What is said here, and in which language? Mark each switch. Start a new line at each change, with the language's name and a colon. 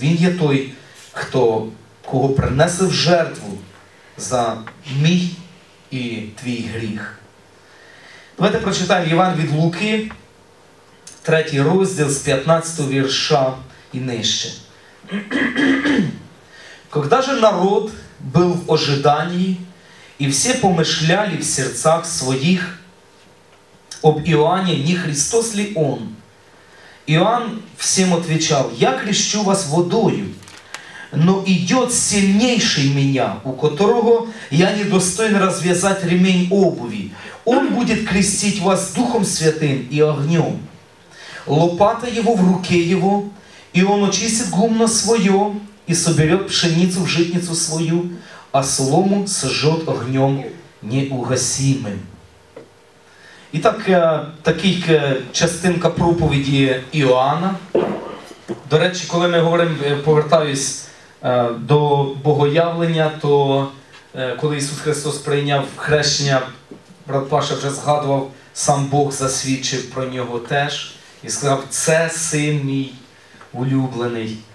Ukrainian: Він є той, хто, кого принесе в жертву за мій і твій гріх. Давайте прочитаємо Євангеліє від Луки, 3 розділ з 15 вірша і нижче.
Russian: Когда же народ был в ожидании, и все помышляли в сердцах своих об Иоанне, не Христос ли он? Иоанн всем отвечал, я крещу вас водою, но идет сильнейший меня, у которого я не достоин развязать ремень обуви. Он будет крестить вас Духом Святым и огнем. Лопата его в руке его, и он очистит гумно свое, и соберет пшеницу в житницу свою, а солому сожжет огнем неугасимым. И так, такая частинка проповеди Иоанна.
Ukrainian: До речі, коли ми говоримо, повертаюсь до богоявлення, то коли Ісус Христос прийняв хрещення, брат Паша вже згадував, сам Бог засвідчив про нього теж і сказав, це син мій улюблений.